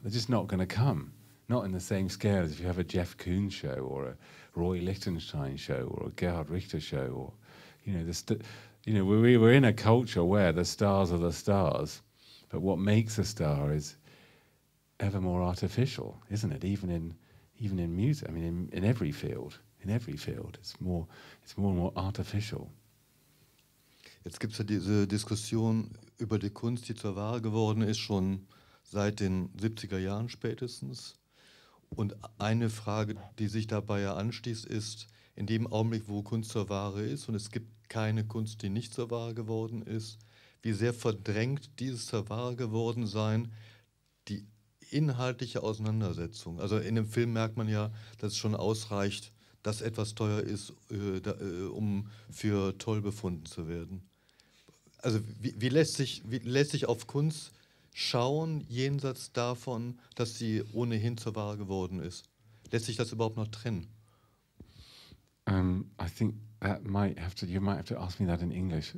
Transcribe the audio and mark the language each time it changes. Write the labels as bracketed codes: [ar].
[en] They're just not going to come. Not in the same scale as if you have a Jeff Koons show, or a Roy Lichtenstein show, or a Gerhard Richter show, or, you know, we're in a culture where the stars are the stars, but what makes a star is ever more artificial, isn't it? Even in music, I mean, in every field, it's more and more artificial. [de] Jetzt gibt es ja diese Diskussion über die Kunst, die zur Ware geworden ist, schon seit den 70er Jahren spätestens. Und eine Frage, die sich dabei ja anschließt, ist, in dem Augenblick, wo Kunst zur Ware ist, und es gibt keine Kunst, die nicht zur Ware geworden ist, wie sehr verdrängt dieses zur Ware geworden sein die inhaltliche Auseinandersetzung? Also in dem Film merkt man ja, dass es schon ausreicht, dass etwas teuer ist, um für toll befunden zu werden. Also wie lässt sich auf Kunst schauen, jenseits davon, dass sie ohnehin zur Ware geworden ist? Lässt sich das überhaupt noch trennen? [en] I think that you might have to ask me that in English.